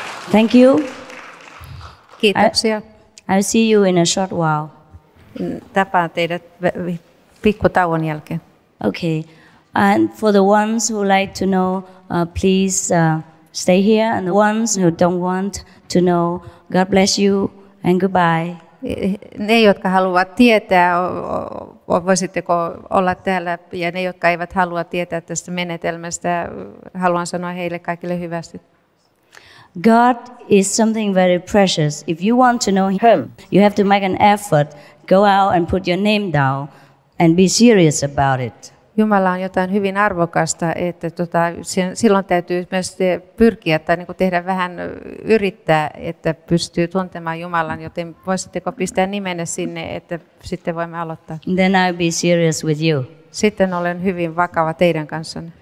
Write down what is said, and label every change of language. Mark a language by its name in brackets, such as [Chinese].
[English] Thank you. [Finnish] Kiitoksia. [English] I'll see you in a short while. [Finnish] Tapaan teidät pikkutauon jälkeen. [English] Okay. And for the ones who like to know, please stay here. And the ones who don't want to know, God bless you and goodbye. [Finnish] Ne, jotka haluavat tietää, voisitteko olla täällä, ja ne, jotka eivät halua tietää tästä menetelmästä, haluan sanoa heille kaikille hyvästi. [English] God is something very precious. If you want to know Him, you have to make an effort, go out and put your name down and be serious about it. [Finnish] Jumala on jotain hyvin arvokasta, että silloin täytyy myös pyrkiä tai tehdä vähän yrittää, että pystyy tuntemaan Jumalan, joten voisitteko pistää nimenä sinne, että sitten voimme aloittaa. [English] Then I'll be serious with you. [Finnish] Sitten olen hyvin vakava teidän kanssanne.